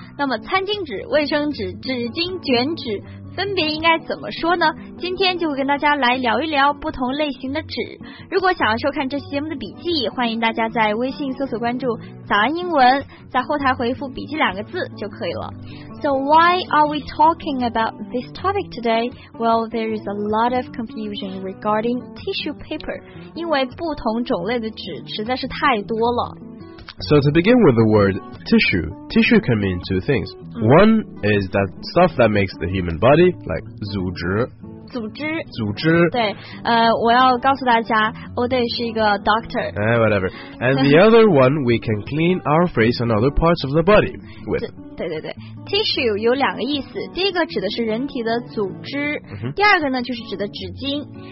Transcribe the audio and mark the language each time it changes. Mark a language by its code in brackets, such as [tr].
[zh] 那么餐巾纸、卫生纸、纸巾、卷纸分别应该怎么说呢？今天就会跟大家来聊一聊不同类型的纸。如果想要收看这期节目的笔记，欢迎大家在微信搜索关注早安英文，在后台回复笔记两个字就可以了。 [en] So why are we talking about this topic today? Well, there is a lot of confusion regarding tissue paper. [zh] 因为不同种类的纸实在是太多了。 [en] So to begin with the word tissue, tissue can mean two things. One is that stuff that makes the human body, like 组织 [zh] 组织对我要告诉大家 Ode 是一个 doctor [en] whatever. And the other one, we can clean our face and other parts of the body with [zh] 对 Tissue 有两个意思，第一个指的是人体的组织、第二个呢就是指的纸巾。